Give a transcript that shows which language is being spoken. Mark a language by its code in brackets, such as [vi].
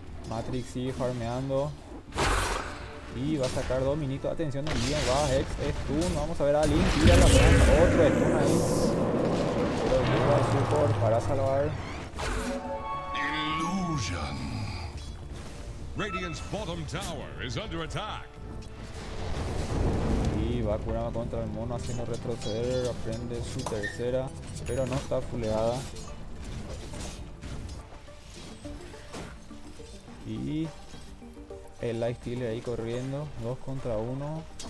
[es] Matrix sigue farmeando. Y va a sacar dos minitos. Atención, el Leon va a Hex Stun. Vamos a ver a Link. Tira la planta. Otro Stun ahí. Pero lleva el support para salvar. [en] Illusion. Radiant's bottom tower is under attack. [es] Y va a curar contra el mono haciendo retroceder. Aprende su tercera. Pero no está fuleada. Y... el Lifestealer ahí corriendo, 2 contra 1.